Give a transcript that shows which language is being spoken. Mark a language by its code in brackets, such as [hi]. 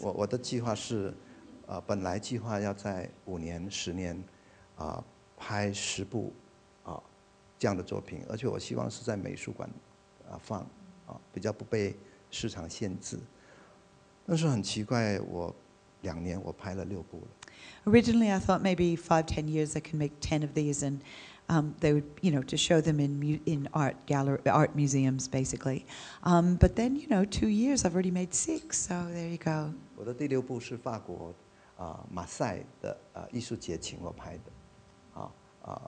[zh] 我的计划是, 本来计划要在五年、十年, 拍十部, 这样的作品, 而且我希望是在美术馆, 放, 比较不被市场限制, 但是很奇怪, 我两年, 我拍了六部了。 [en] Originally, I thought maybe 5-10 years, I can make 10 of these, and they would, you know, to show them in art gallery, art museums, basically. But then, you know, 2 years, I've already made 6, so there you go. [zh] 我的第六部是法国, 马赛的, 艺术节, 请我拍的。